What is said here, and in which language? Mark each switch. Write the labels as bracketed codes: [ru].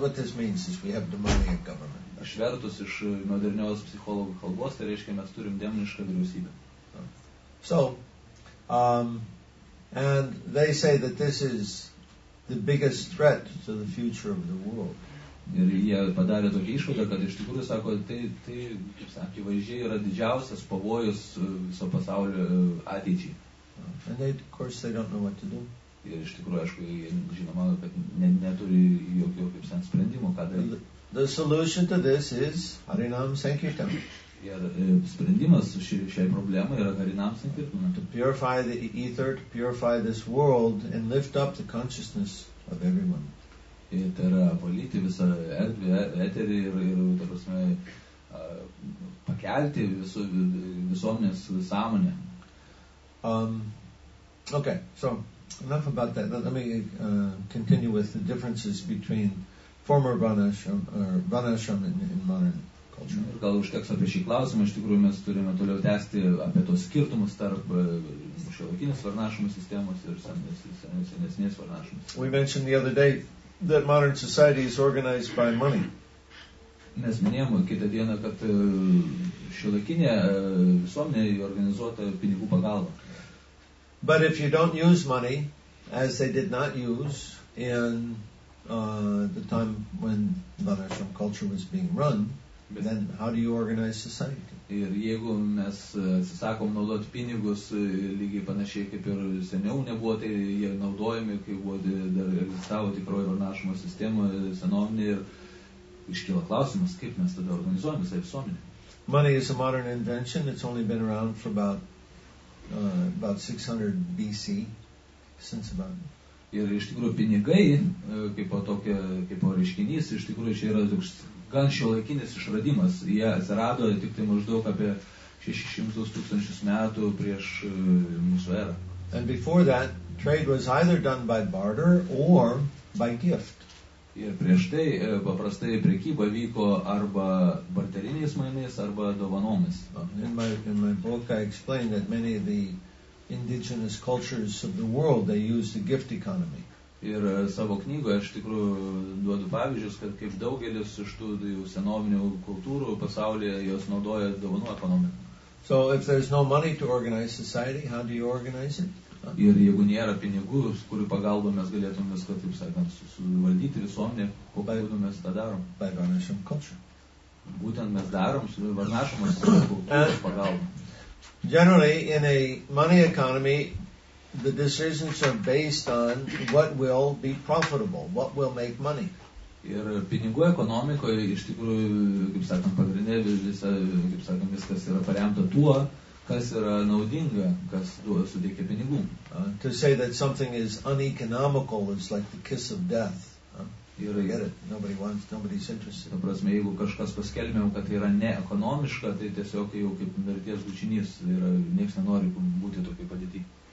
[en] What this means is we have demoniac government. [lt] Išvertus iš modernios psichologų kalbos, tai reiškia, mes turim demonišką vyriausybę. [en] So, and they say that this is the biggest threat to the future of the world. [lt] Ir jie padarė tokį išvadą, kad iš tikrųjų sako, tai kaip sakė, akivaizdžiai yra didžiausias pavojus viso pasaulio ateičiai. [en] And they, of course, they don't know what to do. [lt] Ir iš tikrųjų, aišku, jie žinoma, kad neturi jokio, kaip sakant, sprendimo, ką daryti. [en] The solution to this is Harinam Sankirtan. [lt] Ir sprendimas šiai problemai yra Harinam Sankirtan. [en] To purify the ether, to purify this world and lift up the consciousness of everyone. [lt] Ir tai yra apvalyti visą erdvę, eterį ir ta prasme, pakelti visuomenės sąmonę. [en] Okay, so enough about that. Let me continue with the differences between former Vanasham in modern culture. [lt] Ir gal užteks apie šį klausimą, iš tikrųjų mes turime toliau tęsti apie tos skirtumus tarp šiuolaikinės Varnašamo sistemos ir senesnės Varnašamo sistemos. [en] We mentioned the other day that modern society is organized by money. [lt] Mes minėjome kitą dieną, kad šiuolaikinė visuomenė organizuota pinigų pagalba. [en] But if you don't use money, as they did not use in the time when Vanasham culture was being run, then how do you organize society? [lt] Ir jeigu mes atsisakom naudoti pinigus, lygiai panašiai kaip ir seniau nebuvo, tai jie naudojami, kai buvo dar egzistavo tikroji Vanashamo sistema senovinė, ir iškyla klausimas, kaip mes tada organizuojam visą visuomenę. [en] Money is a modern invention. It's only been around for about 600 BC, since about. [lt] Ir iš tikrųjų pinigai, kaip reiškinys, iš tikrųjų čia yra toks gan šiuolaikinis išradimas. Jie atsirado tik tai maždaug apie 600 tūkstančius metų prieš mūsų erą. [en] And before that, trade was either done by barter or by gift. [lt] Ir prieš tai paprastai prekyba vyko arba barteriniais mainais, arba dovanomis. [en] In my book I explained that many of the indigenous cultures of the world, they use the gift economy. [lt] Ir savo knygoje aš tikrųjų duodu pavyzdžius, kad kaip daugelis iš tų senovinių kultūrų pasaulyje jos naudoja dovanų ekonomiką. [en] So if there's no money to organize society, how do you organize it? [lt] Ir jeigu nėra pinigų, kurių pagalba mes galėtume viską, taip sakant, suvaldyti visuomenę, kokiu būdu mes tą darom? [en] By Vanasham culture. [lt] Būtent mes darom su Vanashamo kultūros pagalba. [en] Generally, in a money economy, the decisions are based on what will be profitable, what will make money. [lt] Ir pinigų ekonomikoje, iš tikrųjų, kaip sakant, pagrindė visą, kaip sakant, viskas yra paremta tuo, kas yra naudinga, kas suteikia pinigų. [en] To say that something is uneconomical is like the kiss of death. [lt] Ir, [en] forget it. Nobody wants, nobody's interested. [lt] Ta prasme, jeigu kažkas paskelbėjom, kad tai yra neekonomiška, tai tiesiog jau kaip mirties bučinys, yra nieks nenori būti tokiai padėti.